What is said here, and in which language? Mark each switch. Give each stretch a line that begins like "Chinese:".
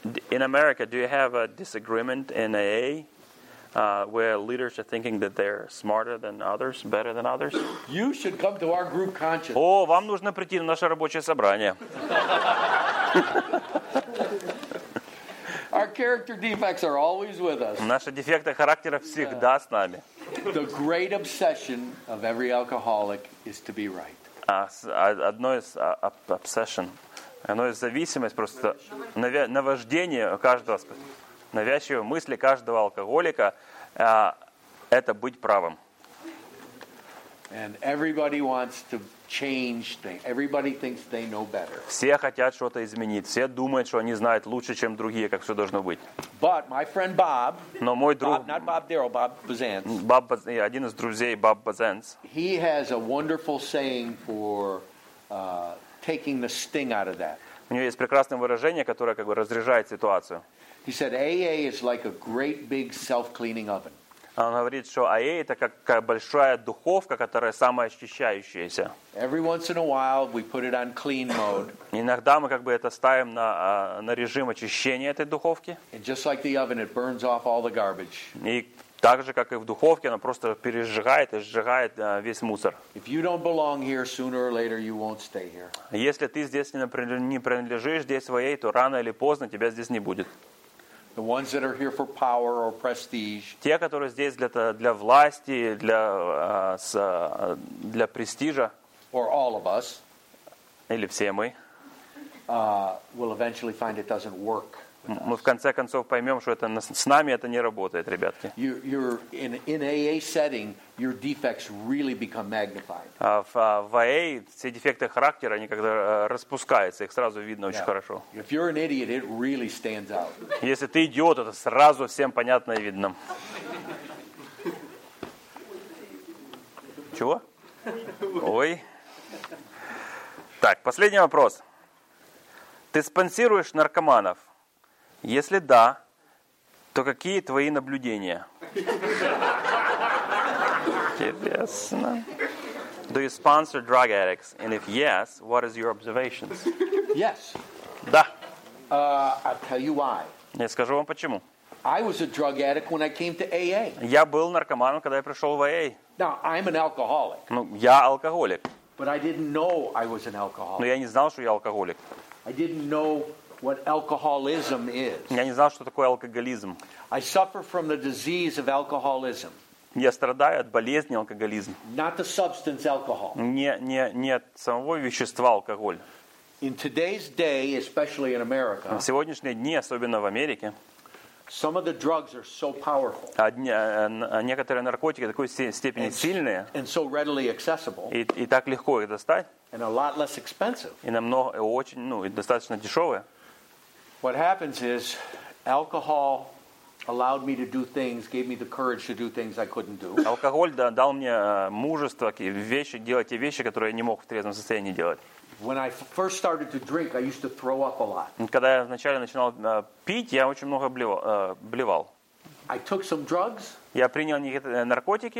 English: in America, do you have a disagreement in AA where leaders are thinking that they're smarter than others, better than others? You should come to our group conscience.
Russian: О, вам нужно прийти на наше рабочее собрание.
English: Our character defects are always with us.
Russian: Наши дефекты характера всегда с нами.
English: The great obsession of every alcoholic is to be right.
Russian: Одно из obsession. Оно из зависимости просто наваждение каждого навязчивой мысли каждого алкоголика это быть правым.
English: And everybody wants to change things. Everybody thinks they know better.
Russian: Все хотят что-то изменить. Все думают, что они знают лучше, чем другие, как все должно быть.
English: But my friend Bob.
Russian: Но мой друг.
English: Bob, not Bob Darrell, Bob Bazance.
Russian: Bob Bazance, один из друзей Bob Bazance.
English: He has a wonderful saying for taking the sting out of that.
Russian: У него есть прекрасное выражение, которое как бы разряжает ситуацию.
English: He said AA is like a great big self-cleaning oven.
Russian: Он говорит, что АА это как большая духовка, которая самоочищающаяся.
English: Every once in a while we put it on clean mode.
Russian: Иногда мы как бы это ставим на режим очищения этой духовки.
English: And just like the oven, it burns off all the garbage.
Russian: И так же, как и в духовке, она просто пережигает и сжигает весь мусор.
English: If you don't belong here, sooner or later you won't stay here.
Russian: Если ты здесь не принадлежишь здесь в АА, то рано или поздно тебя здесь не будет.
English: The ones that are here for power or prestige.
Russian: Те, которые здесь для власти, для престижа.
English: Or all of us.
Russian: Или все мы.
English: Will eventually find it doesn't work.
Russian: Мы в конце концов поймем, что это с нами это не работает, ребятки.
English: You're in AA setting, your defects really become magnified.
Russian: В АА все дефекты характера они когда распускаются, их сразу видно очень хорошо.
English: If you're an idiot, it really stands out.
Russian: Если ты идиот, это сразу всем понятно и видно. Чего? Ой. Так, последний вопрос. Ты спонсируешь наркоманов? Если да, то какие твои наблюдения? Интересно.
English: Do you sponsor drug addicts? And if yes, what is your observations? Yes.
Russian: Да.
English: I'll tell you why.
Russian: Я скажу вам почему.
English: I was a drug addict when I came to AA.
Russian: Я был наркоманом, когда я пришел в AA.
English: Now, I'm an alcoholic.
Russian: Ну, я алкоголик.
English: But I didn't know I was an alcoholic.
Russian: Но я не знал, что я алкоголик.
English: I didn't know what alcoholism is.
Russian: Я не знал, что такое алкоголизм.
English: I suffer from the disease of alcoholism.
Russian: Я страдаю от болезни алкоголизм.
English: Not the substance alcohol.
Russian: Не от самого вещества алкоголь.
English: In today's day, especially in America.
Russian: В сегодняшние дни, особенно в Америке.
English: Some of the drugs are so powerful.
Russian: Некоторые наркотики такой степени сильные.
English: And so readily accessible.
Russian: И так легко их достать.
English: And a lot less expensive.
Russian: И намного очень, ну, и достаточно дешевые.
English: What happens is alcohol allowed me to do things, gave me the courage to do things I couldn't do.
Russian: Алкоголь дал мне мужество делать те вещи, которые я не мог в трезвом состоянии делать.
English: When I first started to drink, I used to throw up a lot.
Russian: Когда я вначале начинал пить, я очень много блевал.
English: I took some drugs.
Russian: Я принял некоторые наркотики.